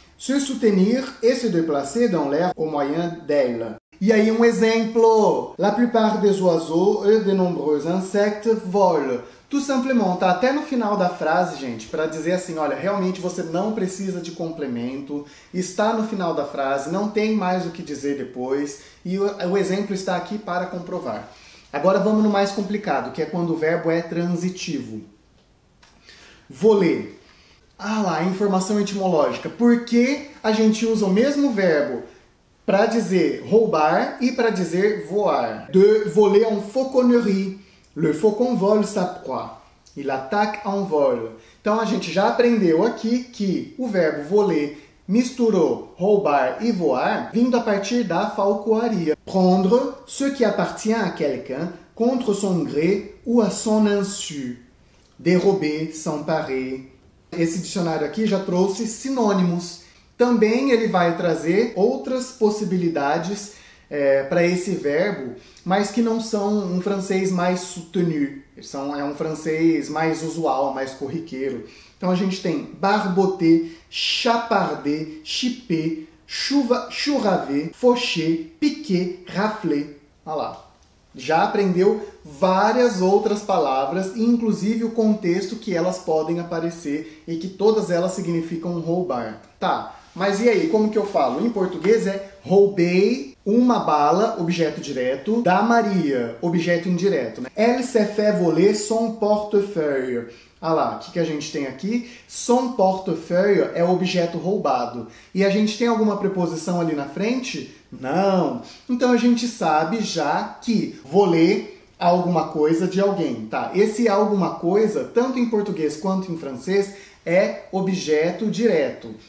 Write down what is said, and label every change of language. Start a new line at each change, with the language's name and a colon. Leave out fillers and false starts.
French: Se soutenir et se déplacer dans l'air au moyen d'elle.
Portuguese: E aí um exemplo.
French: La plupart des oiseaux et de nombreux insectes volent. Tout simplement,
Portuguese: tá até no final da frase, gente, para dizer assim, olha, realmente você não precisa de complemento, está no final da frase, não tem mais o que dizer depois, e o exemplo está aqui para comprovar. Agora vamos no mais complicado, que é quando o verbo é transitivo. Voler. Ah lá, informação etimológica. Por que a gente usa o mesmo verbo para dizer roubar e para dizer voar?
French: De voler en fauconnerie. Le faucon vole sa proie. Il attaque en vol.
Portuguese: Então a gente já aprendeu aqui que o verbo voler misturou roubar e voar vindo a partir da falcoaria.
French: Prendre ce qui appartient à quelqu'un contre son gré ou à son insu. Dérober, s'emparer.
Portuguese: Esse dicionário aqui já trouxe sinônimos. Também ele vai trazer outras possibilidades para esse verbo, mas que não são um francês mais soutenu. É um francês mais usual, mais corriqueiro. Então a gente tem barboter, chaparder, chiper, churraver, faucher, piquer, rafler. Olha lá. Já aprendeu várias outras palavras, inclusive o contexto que elas podem aparecer e que todas elas significam roubar. Tá, mas e aí, como que eu falo? Em português é roubei uma bala, objeto direto, da Maria, objeto indireto, né?
French: Elle s'est fait voler son portefeuille.
Portuguese: Olha lá, o que, que a gente tem aqui?
French: Son portefeuille
Portuguese: é objeto roubado. E a gente tem alguma preposição ali na frente? Não. Então a gente sabe já que voler alguma coisa de alguém, tá? Esse alguma coisa, tanto em português quanto em francês, é objeto direto.